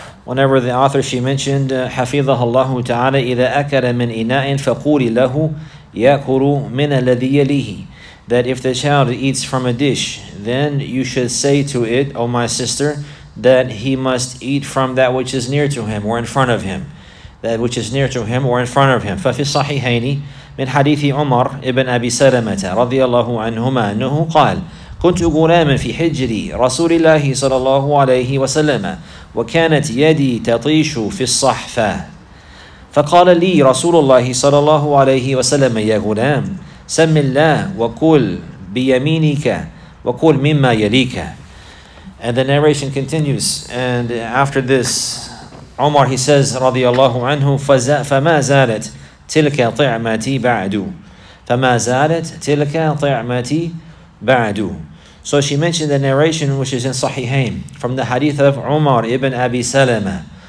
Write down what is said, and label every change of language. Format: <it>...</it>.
<en>whenever the author she mentioned</en> <ar>حفظه الله تعالى إذا أكل من إناء فقولي له يأكل من الذي يليه,</ar> <en>that if the child eats from a dish, then you should say to it, O my sister, that he must eat from that which is near to him or in front of him. That which is near to him or in front of him.</en> <ar>ففي الصحيحين من حديث عمر ابن أبي سلمة رضي الله عنهما أنه قال كنت غلاما في حجري رسول الله صلى الله عليه وسلم وكانت يدي تطيش في الصحفة فقال لي رسول الله صلى الله عليه وسلم يا غلام سم الله وقل بيمينك وقل مما يليك.</ar> <en>And the narration continues, and after this Omar, he says,</en> <ar>رضي الله عنه, فما زالت تلك طعمتي بعد. فما زالت تلك طعمتي بعد.</ar> <en>So she mentioned the narration which is in Sahihain from the hadith of Umar ibn Abi Salama.</en>